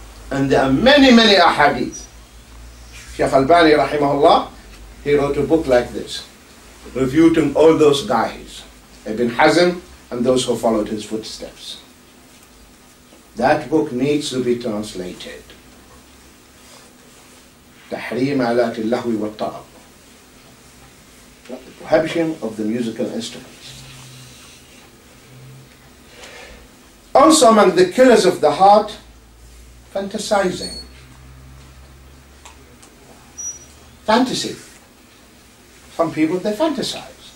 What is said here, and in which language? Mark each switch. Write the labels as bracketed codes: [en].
[en] And there are many, many ahadith. Shaykh Albani, rahimahullah, he wrote a book like this, refuting all those guys, Ibn Hazm, and those who followed his footsteps. That book needs to be translated. [ar] تحريم آلات اللهو والطرب. [en] The prohibition of the musical instruments. Also among the killers of the heart, fantasizing. Fantasy. Some people, they fantasize.